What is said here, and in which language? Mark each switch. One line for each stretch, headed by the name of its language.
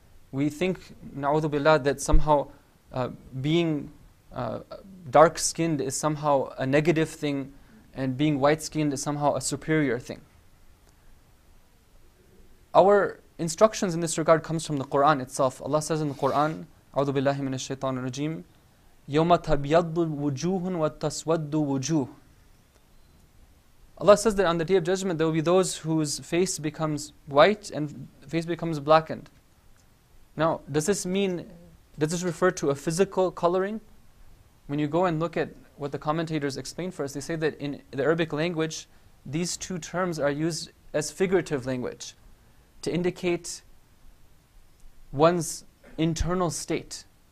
English: We think, na'udhu billah, that somehow being dark-skinned is somehow a negative thing, and being white-skinned is somehow a superior thing. Our instructions in this regard comes from the Qur'an itself. Allah says in the Qur'an,
Arabic: أعوذ بالله من الشيطان الرجيم يوم تبيض وجوه وتسود وجوه.
English: Allah says that on the Day of Judgment there will be those whose face becomes white and face becomes blackened. Now, does this refer to a physical coloring? When you go and look at what the commentators explain for us, they say that in the Arabic language, these two terms are used as figurative language to indicate one's internal state.